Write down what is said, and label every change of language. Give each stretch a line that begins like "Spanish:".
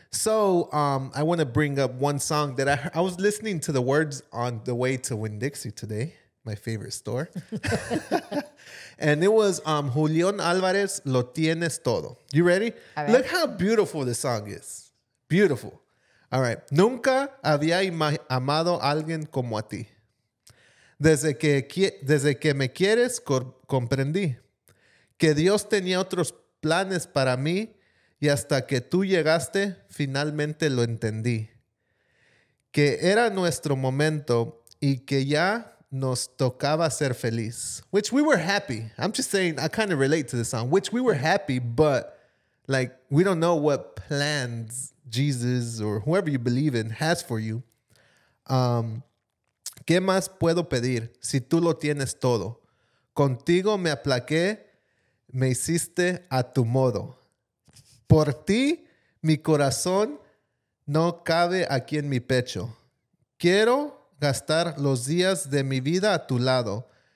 English: So I want to bring up one song that I was listening to the words on the way to Winn-Dixie today, my favorite store. And it was Julian Alvarez, Lo Tienes Todo. You ready? Right. Look how beautiful this song is. Beautiful. All right.
Spanish: Nunca había amado alguien como a ti. Desde que me quieres, comprendí que Dios tenía otros planes para mí. Y hasta que tú llegaste, finalmente lo entendí. Que era nuestro momento y que ya nos tocaba ser feliz.
English: Which we were happy. I'm just saying, I kind of relate to the song. Which we were happy, but like, we don't know what plans Jesus or whoever you believe in has for you.
Spanish: ¿Qué más puedo pedir si tú lo tienes todo? Contigo me aplaqué, me hiciste a tu modo. Por ti, mi corazón no cabe aquí en mi pecho. Quiero gastar los días de mi vida a tu lado.